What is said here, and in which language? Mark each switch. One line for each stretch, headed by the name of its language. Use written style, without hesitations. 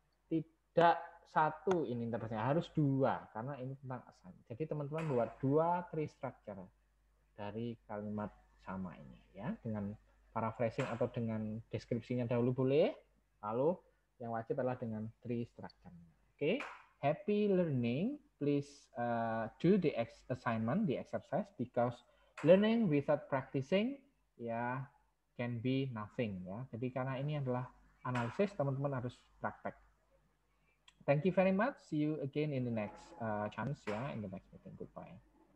Indonesian: Tidak satu ini interpretasinya, harus dua karena ini tentang assignment. Jadi teman-teman buat dua tree structure dari kalimat sama ini ya, dengan paraphrasing atau dengan deskripsinya dahulu boleh. Lalu yang wajib adalah dengan tree structure-nya.
English: Oke, okay. Happy learning. Please do the assignment, the exercise, because learning without practicing, can be nothing. Ya.
Indonesian: Jadi karena ini adalah analisis, teman-teman harus praktek.
English: Thank you very much. See you again in the next chance, in the next meeting. Goodbye.